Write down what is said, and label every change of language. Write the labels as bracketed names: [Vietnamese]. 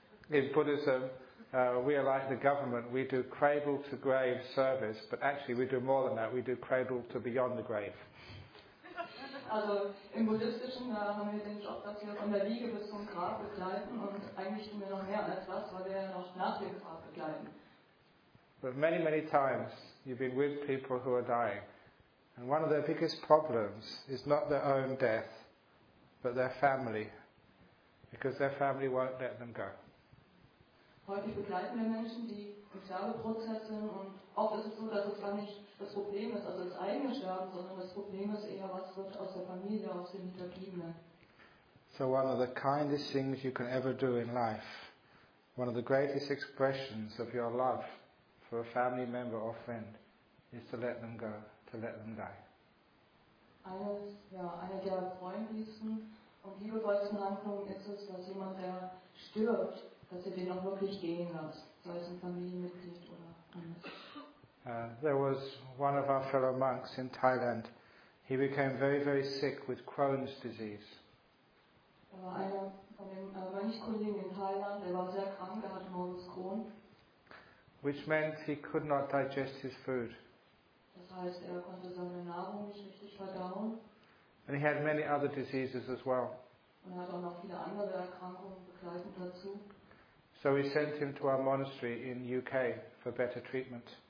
[English] In Buddhism, we are like the government. We do cradle to grave service, but actually we do more than that. We do cradle to beyond the grave. [German] Also im buddhistischen haben wir den Job, dass wir von der Wiege bis zum Grab begleiten, und eigentlich tun wir noch mehr als was, weil wir noch nach dem Grab begleiten. [English] But many, many times you've been with people who are dying, and one of their biggest problems is not their own death, but their family, because their family won't let them go. [German] Häufig begleiten wir Menschen, die im Sterbeprozess sind, und oft ist es so, dass es gar nicht das Problem ist, also das eigene Sterben, sondern das Problem ist eher, was wird aus der Familie, aus den Hinterbliebenen. [English] So one of the kindest things you can ever do in life, one of the greatest expressions of your love for a family member or friend, is to let them go, to let them die. [German] Eine der freundlichsten und liebevollsten Handlungen ist es, dass jemand, der stirbt, dass ihr den auch wirklich gehen lasst, sei es ein Familienmitglied oder anders. [English] There was one of our fellow monks in Thailand. He became very, very sick with Crohn's disease. [German] Er war einer von den Mönchkollegen in Thailand, der war sehr krank, er hatte morgens Crohn. [English] Which meant he could not digest his food. [German] Das heißt, er konnte seine Nahrung nicht richtig verdauen. [English] And he had many other diseases as well. [German] Und er hat auch noch viele andere Erkrankungen begleitend dazu. [English] So we sent him to our monastery in UK for better treatment.